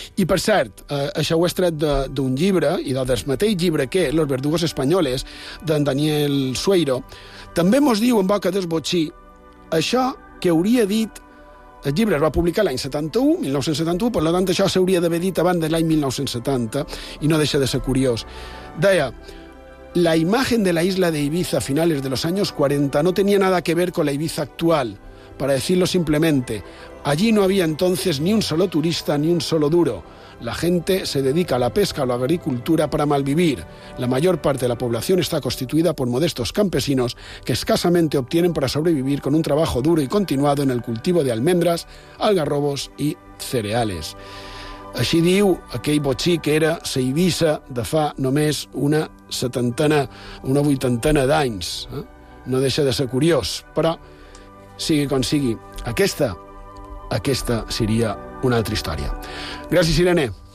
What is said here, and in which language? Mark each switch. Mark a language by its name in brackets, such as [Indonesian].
[Catalan] I, per cert, això ho he tret d'un llibre, i del mateix llibre que Los verdugos españoles, d'en Daniel Sueiro, també mos diu en boca dels Botxí això que hauria dit. El llibre es va publicar l'any 1971, per tant, això s'hauria d'haver dit abans de l'any 1970, i no deixa de ser curiós. Deia: [Spanish] la imagen de la isla de Ibiza a finales de los años 40 no tenía nada que ver con la Ibiza actual. Para decirlo simplemente, allí no había entonces ni un solo turista ni un solo duro. La gente se dedica a la pesca o a la agricultura para malvivir. La mayor parte de la población está constituida por modestos campesinos que escasamente obtienen para sobrevivir con un trabajo duro y continuado en el cultivo de almendras, algarrobos y cereales. [Catalan] Així diu aquell Botxí que era sa Ibiza de fa només una setantena, una vuitantena d'anys. No deixa de ser curiós, però sigui com sigui, aquesta seria una altra història. Gràcies, Irene.